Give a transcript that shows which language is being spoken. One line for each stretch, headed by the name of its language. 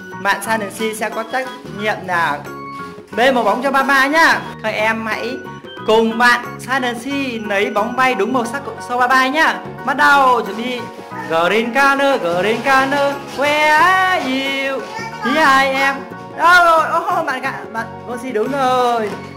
Vietnamese: Bạn Sanesi sẽ có trách nhiệm là bê màu bóng cho ba ba nhá. Các em hãy cùng bạn Sanesi lấy bóng bay đúng màu sắc sau ba ba nhá. Bắt đầu chuẩn bị.
English: Green color, green color, where are you? Here I am.
Vietnamese: Đâu rồi? Ô, bạn gạ, bạn Gossi đúng rồi.